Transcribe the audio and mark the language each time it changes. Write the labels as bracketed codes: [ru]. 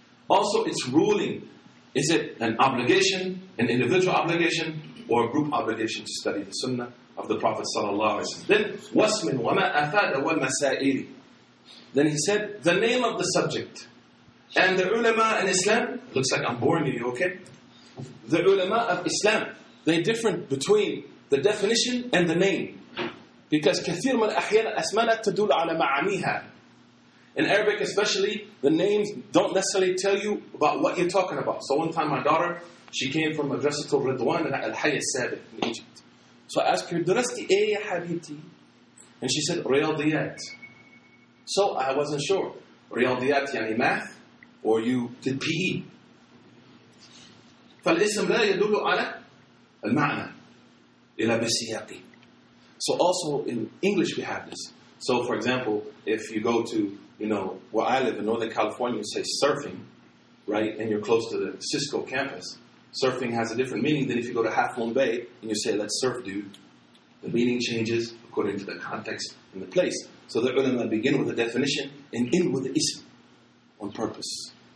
[en] Also, it's ruling. Is it an obligation, an individual obligation, or a group obligation to study the Sunnah of the Prophet sallallahu alayhi wa sallam? [ar] Then, wasmin wa ma afada wa masa'ili. [en] Then he said, the name of the subject. And the ulama in Islam, looks like I'm boring you, okay? The ulama of Islam, they're different between the definition and the name. Because [ar] كثير من أحيان أسمانا تدل على معانيها. [en] In Arabic especially, the names don't necessarily tell you about what you're talking about. So one time my daughter, she came from Madrasat al-Ridwan and Al-Hayy al-Sabit in Egypt. So I asked her, [ar] درستي أي حبيبتي? [en] And she said, [ar] رياضيات. [en] So I wasn't sure. [ar] رياضيات يعني [en] math? Or you did PE? [ar] فالاسم لا يدل على المعنى إلى بسياقي. [en] So also in English we have this. So for example, if you go to, you know, where I live in Northern California, you say surfing, right? And you're close to the Cisco campus. Surfing has a different meaning than if you go to Half Moon Bay and you say, let's surf, dude. The meaning changes according to the context and the place. So the ulama begin with the definition and end with the ism on purpose.